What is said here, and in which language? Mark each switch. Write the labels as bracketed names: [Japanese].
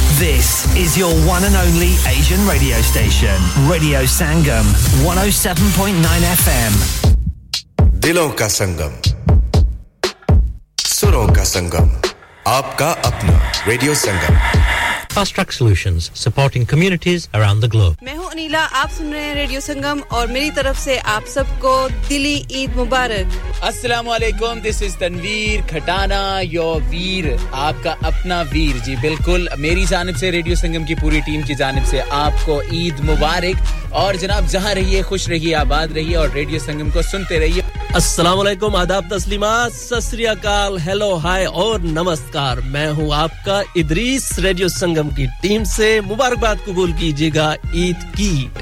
[English] This is your one and only Asian radio station. Radio Sangam, 107.9 FM. [Hindi] Dilon ka Sangam. Suron ka Sangam. Aapka apna Radio Sangam. [English] Fast Track Solutions, supporting communities around the globe. [Hindi] मैं हूँ अनीला, आप सुन रहे हैं radio संगम और मेरी तरफ से आप सबको दिली ईद मुबारक. [English] Assalamualaikum, this is Tanveer Khatana, your veer, [Hindi] आपका अपना [English] veer. [Hindi] जी बिल्कुल, मेरी जानिब से रेडियो संगम की पूरी टीम की जानिब से आपको ईद मुबारक और जनाब जहाँ रहिए खुश रहिए आबाद रहिए और रेडियो संगम को सुनते रहिए. Assalamualaikum, आदाब तस्लीमात, सत श्री अकाल, हेलो हाय और नमस्कार. मैं हूँ आपका इदरीस, रेडियो संगम की टीम से मुबारकबाद कबूल कीजिएगा ईद की.